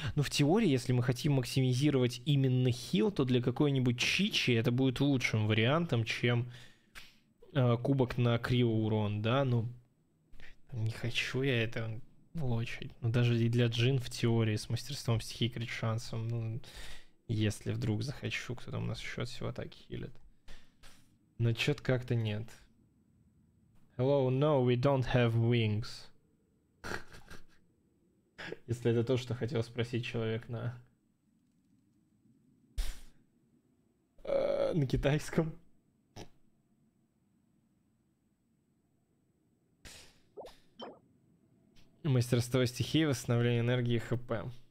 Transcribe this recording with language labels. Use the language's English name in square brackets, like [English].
[Russian] Ну, в теории, если мы хотим максимизировать именно хил, то для какой-нибудь чичи это будет лучшим вариантом, чем кубок на крио урон, да? Ну, не хочу я это влочить. Ну, даже и для джин в теории с мастерством стихий крит-шансом. Ну, если вдруг захочу, кто там у нас еще от сил атаки хилит. Но чё-то как-то нет. [English] Hello, no, we don't have wings. [Russian] Если это то, что хотел спросить человек на китайском. Мастерство стихии, восстановление энергии, ХП.